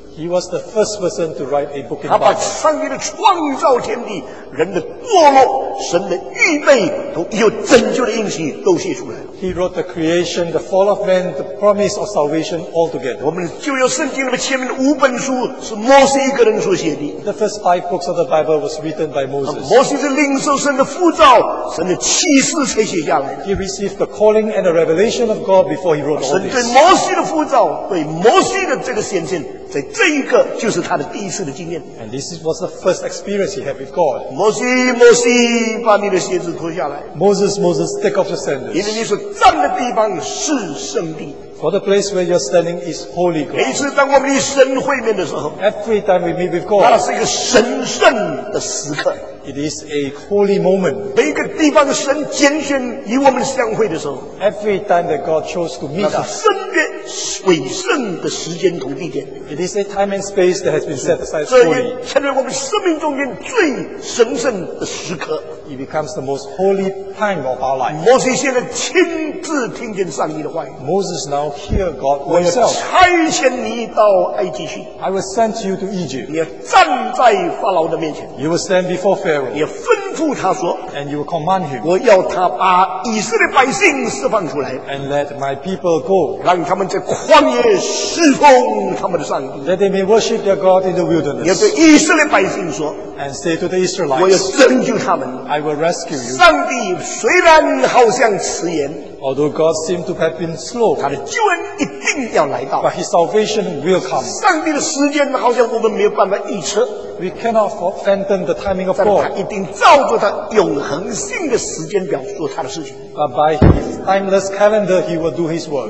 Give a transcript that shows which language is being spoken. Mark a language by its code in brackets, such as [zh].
[en] He was the first person to write a book in the Bible. [zh] 他把上帝的创造天地, 人的堕落, 神的预备, 有拯救的应许都写出来。 [en] He wrote the creation, the fall of man, the promise of salvation all together. [zh] 我们旧约圣经里面前面的五本书是摩西一个人所写的。 [en] The first five books of the Bible was written by Moses. [zh] 摩西是领受神的呼召, 神的启示才写下来的。 [en] He received the calling and the revelation of God before he wrote all this. [zh] 神对摩西的呼召, 对摩西的这个显现, 在这一个就是他的第一次的经验。 [en] And this was the first experience he had with God. [zh] 摩西, 摩西, 把你的鞋子脱下来。 [en] Moses, Moses, take off your sandals. [zh] 因为你所站的地方是圣地。 [en] For the place where you're standing is holy God. [zh] 每次当我们与神会面的时候, [en] every time we meet with God, [zh] 那是一个神圣的时刻。 [en] It is a holy moment. [zh] 每个地方神拣选与我们相会的时候, [en] every time that God chose to meet us, [zh] 伟圣的时间同地点。 [en] It is a time and space that has been set aside for you. [zh] 这也成为我们生命中间最神圣的时刻。 [en] It becomes the most holy time of our life. [zh] 摩西现在亲自听见上帝的话语。 [en] Moses now hear God himself. [zh] 我要差遣你到埃及去。 [en] I will send you to Egypt. [zh] 你要站在法老的面前。 [en] You will stand before Pharaoh. [zh] 你要吩咐他说, [en] and you will command him. [zh] 我要他把以色列百姓释放出来。 [en] And let my people go. [zh] 让他们在旷野侍奉他们的上帝。 [en] That they may worship their God in the wilderness. [zh] 你要对以色列百姓说, [en] and say to the Israelites, [zh] 我要拯救他们。 [en] I will rescue you. [zh] 上帝虽然好像迟延, [en] although God seemed to have been slow, [zh] 他的救恩一定要来到, [en] but his salvation will come. [zh] 上帝的时间好像我们没有办法预测, [en] we cannot fathom the timing of God. [zh] 他一定照着他永恒性的时间表做他的事情, [en] but by his timeless calendar, he will do his work.